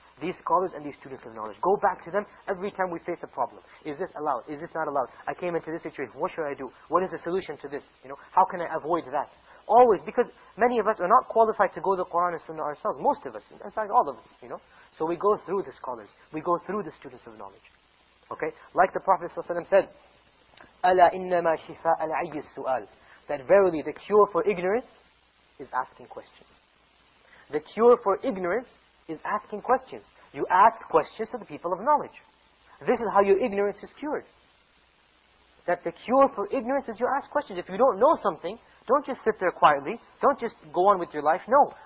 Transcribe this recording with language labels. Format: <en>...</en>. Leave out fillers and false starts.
<en>These scholars and these students of knowledge. Go back to them every time we face a problem. Is this allowed? Is this not allowed? I came into this situation. What should I do? What is the solution to this? You know, how can I avoid that? Always, because many of us are not qualified to go to the Quran and Sunnah ourselves. Most of us, in fact, all of us, you know. So we go through the scholars. We go through the students of knowledge. Okay? Like the Prophet ﷺ said,</en> <ar>أَلَا إِنَّمَا شِفَاءَ الْعَيِّ السُّؤَالِ.</ar> <en>That verily, the cure for ignorance is asking questions. The cure for ignorance is asking questions. You ask questions to the people of knowledge. This is how your ignorance is cured. That the cure for ignorance is you ask questions. If you don't know something, don't just sit there quietly. Don't just go on with your life. No.</en>